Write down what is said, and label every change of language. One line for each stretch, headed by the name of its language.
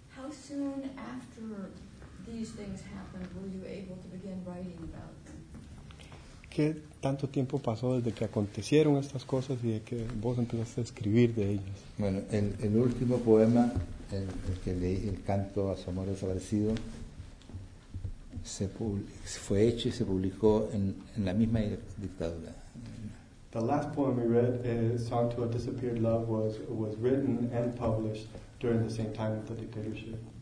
English: Soon after these things happened, were you able to begin writing about them?
Spanish: ¿Qué tanto tiempo pasó desde que acontecieron estas cosas y de que vos empezaste a escribir de ellas? Bueno, el último poema, el que leí, el canto a su amor desaparecido, fue hecho y se publicó en la misma dictadura.
English: The last poem we read, Song to a Disappeared Love, was written and published during the same time of the dictatorship.